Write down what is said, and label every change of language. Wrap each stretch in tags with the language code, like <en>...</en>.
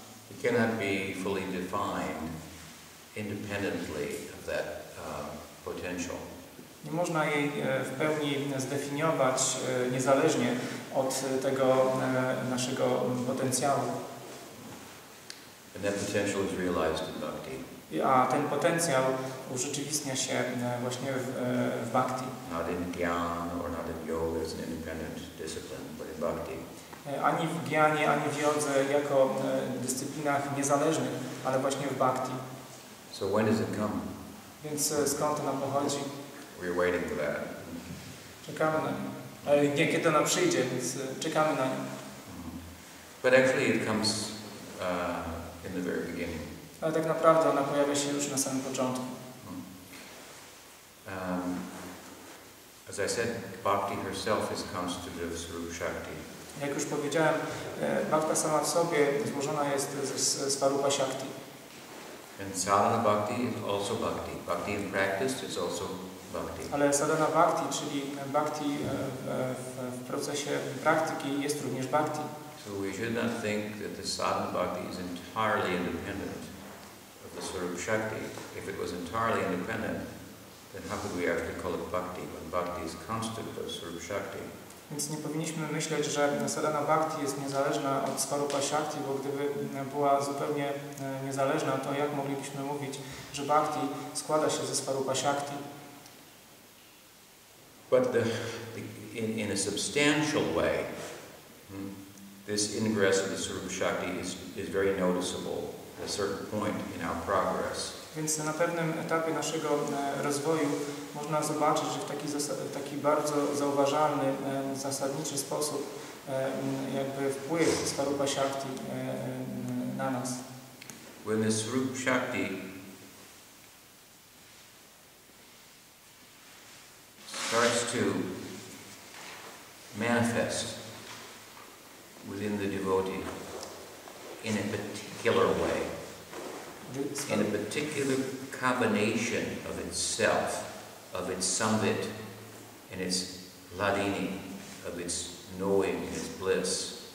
<en>It cannot be fully defined independently of that potential.</en> <pl>Nie można jej w pełni zdefiniować niezależnie od tego naszego potencjału.</pl> <en>And that potential is realized in bhakti.</en> <pl>A ten potencjał urzeczywistnia się właśnie w bhakti.</pl> <en>Not in jnana or not in yoga as an independent discipline, but in bhakti.</en> <pl>Ani w jnanie, ani w jodze jako dyscyplinach niezależnych, ale właśnie w bhakti.</pl> <en>So when does it come?</en> <pl>Więc skąd to nam pochodzi?</pl> <en>We're waiting for that.</en> <pl>Czekamy na nią. Kiedy ona przyjdzie, więc czekamy na nią.</pl> <en>But actually it comes in the very beginning.</en> <pl>Ale tak naprawdę ona pojawia się już na samym początku.</pl> <en>As I said, bhakti herself is constitutive of Swarup Shakti.</en> <pl>Jak już powiedziałem, bhakta sama w sobie złożona jest ze Swarupa Shakti.</pl> <en>And sadhana bhakti is also bhakti. Bhakti in practice is also bhakti.</en> <pl>Ale sadhana bhakti, czyli bhakti w procesie praktyki, jest również bhakti.</pl> <en>So we should not think that the sadhana bhakti is entirely independent of the sort of shakti. If it was entirely independent, then how could we actually call it bhakti when bhakti is constant of Swarupa Shakti?</en> <pl>Więc nie powinniśmy myśleć, że sadhana bhakti jest niezależna od Swarupa Shakti, bo gdyby była zupełnie niezależna, to jak moglibyśmy mówić, że bhakti składa się ze Swarupa Shakti?</pl> <en>But in a substantial way, this ingress of the Swarupa Shakti is very noticeable at a certain point in our progress.</en> <pl>Więc na pewnym etapie naszego rozwoju można zobaczyć, że w taki, taki bardzo zauważalny, zasadniczy sposób jakby wpływ Swarupa Shakti na nas.</pl> <en>When the Swarupa Shakti starts to manifest within the devotee in a particular way, in a particular combination of itself, of its sambit, and its ladini, of its knowing, and its bliss.</en>